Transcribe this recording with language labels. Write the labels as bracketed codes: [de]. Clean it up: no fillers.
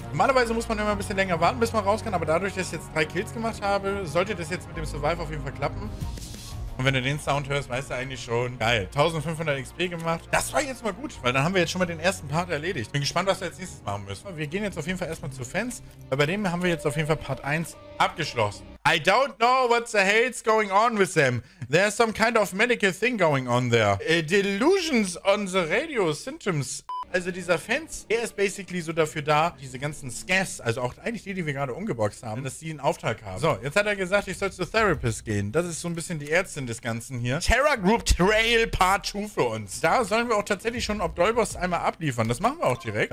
[de] Normalerweise muss man immer ein bisschen länger warten, bis man raus kann. Aber dadurch, dass ich jetzt 3 Kills gemacht habe, sollte das jetzt mit dem Survive auf jeden Fall klappen. Und wenn du den Sound hörst, weißt du eigentlich schon. Geil. 1500 XP gemacht. Das war jetzt mal gut, weil dann haben wir jetzt schon mal den ersten Part erledigt. Bin gespannt, was wir als nächstes machen müssen. Wir gehen jetzt auf jeden Fall erstmal zu Fans. Weil bei dem haben wir jetzt auf jeden Fall Part 1 abgeschlossen. [en] I don't know what the hell's going on with them. There's some kind of medical thing going on there. Delusions on the radio symptoms. [de] Also dieser Fans, er ist basically so dafür da, diese ganzen Scans, also auch eigentlich die wir gerade umgeboxt haben, dass sie einen Auftrag haben. So, jetzt hat er gesagt, ich soll zu Therapist gehen. Das ist so ein bisschen die Ärztin des Ganzen hier. Terra Group Trail Part 2 für uns. Da sollen wir auch tatsächlich schon auf Dolboss einmal abliefern. Das machen wir auch direkt.